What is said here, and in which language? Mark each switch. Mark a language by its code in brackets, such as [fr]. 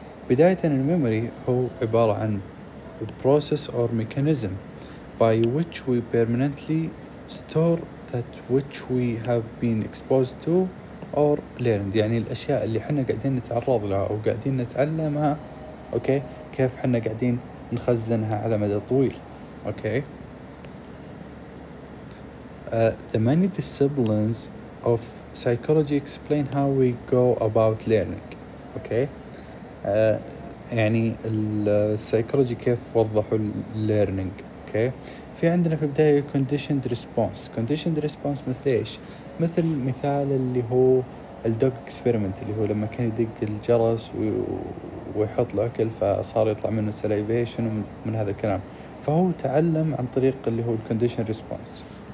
[ar] بداية الميموري هو عبارة عن [en] the process or mechanism by which we permanently store that which we have been exposed to or learned, [ar] يعني الأشياء اللي حنا قاعدين نتعرض لها أو قاعدين نتعلمها. أوكي, كيف حنا قاعدين نخزنها على مدى طويل. [en] Okay, the many disciplines of psychology explain how we go about learning. [ar] Okay, يعني السايكولوجي كيف وضحوا learning. Okay, في عندنا في البداية conditioned response. Conditioned response مثل إيش؟ مثل مثال اللي هو الدوغ experiment, اللي هو لما كان يدق الجرس ويحط له أكل فصار يطلع منه salivation ومن هذا الكلام, فهو تعلم عن طريق اللي هو conditioned response.